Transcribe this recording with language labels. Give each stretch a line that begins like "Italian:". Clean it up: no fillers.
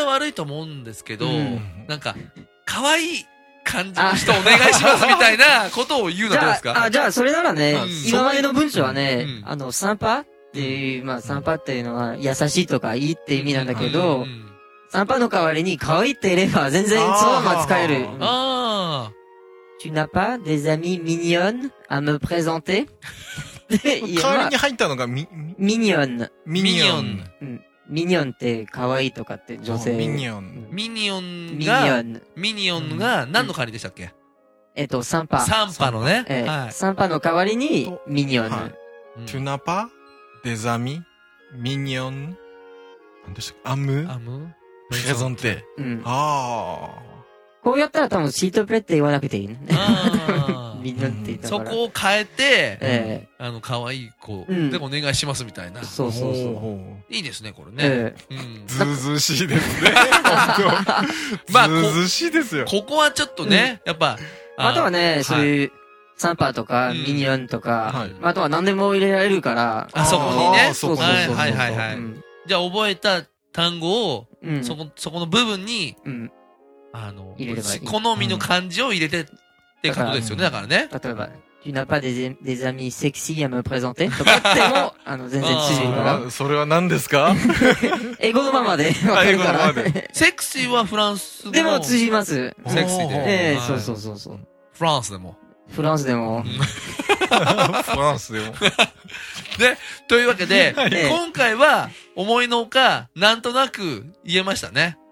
Japanese: 感じは悪いと思うんですけど、うん、なんか、可愛い感じの人お願いしますみたいなことを言うのどうですか。あ、じゃあ、それならね、うん、今までの文章はね、うん、あの、サンパっていう、まあ、サンパっていうのは、優しいとかいいって意味なんだけど、うんうんうん、サンパの代わりに可愛いって言えば全然そのまま使える。ああ。
French: tu n'as pas des amis mignonnes à me présenter?
Japanese: 代わりに入ったのが、ミニオン。ミニオン。ミニオンって可愛いとかって女性。ミニオン。ミニオンが、ミニオンが何の代わりでしたっけ、うん、サンパ。サンパのね。はい、サンパの代わりに、ミニオン。
French: tu n'as pas?
Japanese: デザミ、ミニオン、何でしたっけ、アム、プレゾンテ。うん。ああ。こうやったら多分シートプレって言わなくていい、ね。ああ。ミニオンって言ったから、うん、そこを変えて、うん、あの、可愛い子、うん、でもお願いしますみたいな。うん、そうそうそう。いいですね、これね。ずうずうしいですね。まあ、ずうずうしいですよ。ここはちょっとね、うん、やっぱ。あとはね、はい、そういう。サンパーとか、ミニオンとか、うん、あとは何でも入れられるから。あ、そこにね。そうそうそう。はいはいはい、はいうん。じゃあ覚えた単語を、うん、そこの部分に、うん、あの入れればいい、好みの漢字を入れてっていうことですよね、うん、だからね。例えば、
French: tu n'as pas des amis sexy à me présenter
Japanese: とかっても、あの、全然知事は。それは何ですか英語のままで。英語のままで。セクシーはフランス語でも通じます。セクシーで。ええー、そうそうそうそう。フランスでも。フランスでも。フランスでも。で、というわけで、今回は思いのほか、なんとなく言えましたね。